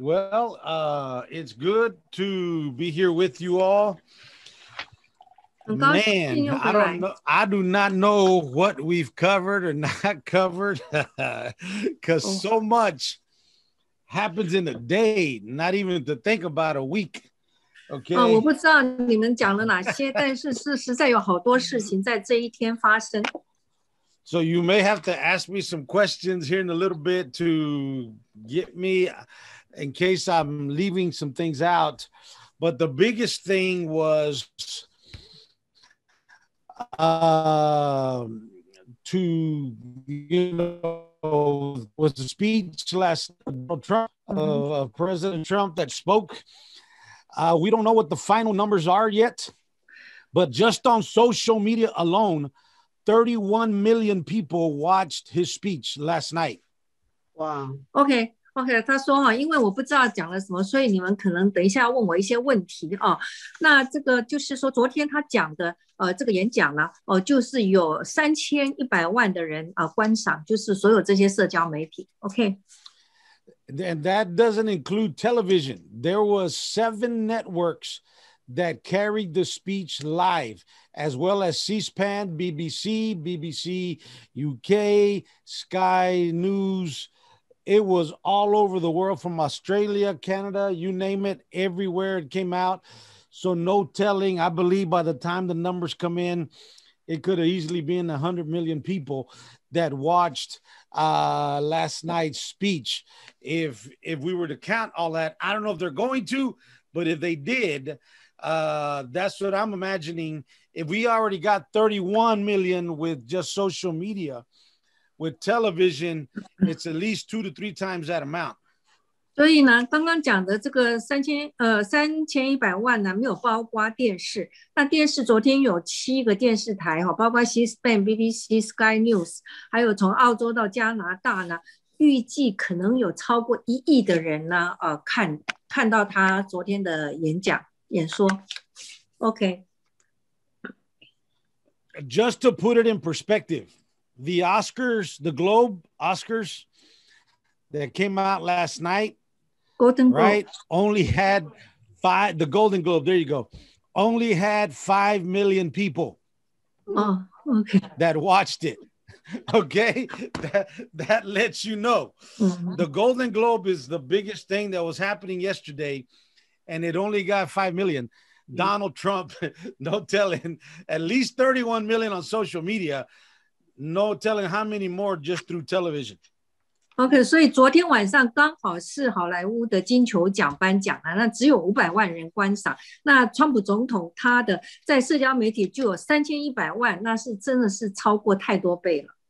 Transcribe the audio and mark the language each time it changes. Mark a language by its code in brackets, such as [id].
[en] Well, it's good to be here with you all. Man, I do not know what we've covered or not covered, because so much happens in a day, not even to think about a week. Okay. [zh] 我不知道你们讲了哪些，但是是实在有好多事情在这一天发生。 [en] So you may have to ask me some questions here in a little bit to get me, in case I'm leaving some things out. But the biggest thing was was the speech last of Trump, of President Trump that spoke. We don't know what the final numbers are yet, but just on social media alone, 31 million people watched his speech last night. Wow. Okay. [zh] 他说哈，因为我不知道讲了什么，所以你们可能等一下问我一些问题啊。那这个就是说，昨天他讲的这个演讲呢，就是有3100万的人啊观赏，就是所有这些社交媒体。 [en] Okay. And that doesn't include television. There was 7 networks that carried the speech live, as well as C-SPAN, BBC, BBC UK, Sky News. It was all over the world, from Australia, Canada, you name it, everywhere it came out. So no telling. I believe by the time the numbers come in, it could have easily been 100 million people that watched last night's speech. If we were to count all that, I don't know if they're going to, but if they did, that's what I'm imagining. If we already got 31 million with just social media, with television, it's at least 2 to 3 times that amount. [zh] 所以呢，刚刚讲的这个3100万呢，没有包括电视。那电视昨天有7个电视台，包括 C-SPAN、BBC、Sky News， 还有从澳洲到加拿大呢，预计可能有超过1亿的人呢，看到他昨天的演讲。Okay. [en] Just to put it in perspective, the Oscars, the Globe Oscars that came out last night, Golden Globe. Right, only had five, the Golden Globe, there you go, only had 5 million people that watched it. Okay, that lets you know. Mm-hmm. The Golden Globe is the biggest thing that was happening yesterday. And it only got 5 million. Donald Trump, no telling, at least 31 million on social media. No telling how many more just through television. [zh] Okay, 所以昨天晚上刚好是好莱坞的金球奖颁奖，那只有500万人观赏。那川普总统他的在社交媒体就有3100万，那是真的是超过太多倍了。